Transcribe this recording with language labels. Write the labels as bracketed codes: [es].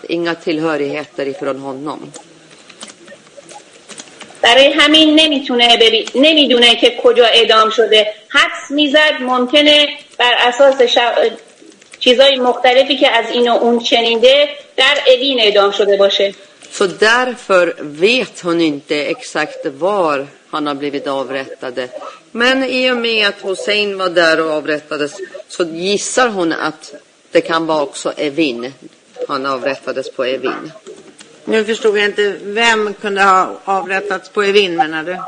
[sv] Inga tillhörigheter ifrån honom. [fa] برای همین نمیدونه که کجا اعدام شده. حدس میزد ممکنه بر اساس چیزای مختلفی که از اینو اون شنیده در ادین اعدام شده باشه. [sv] Så därför vet hon inte exakt var han har blivit avrättade. Men i och med att Hussein var där och avrättades så gissar hon att det kan vara också Evin. Han avrättades på Evin. Nu förstod jag inte vem kunde ha avrättats på Evin, menar du?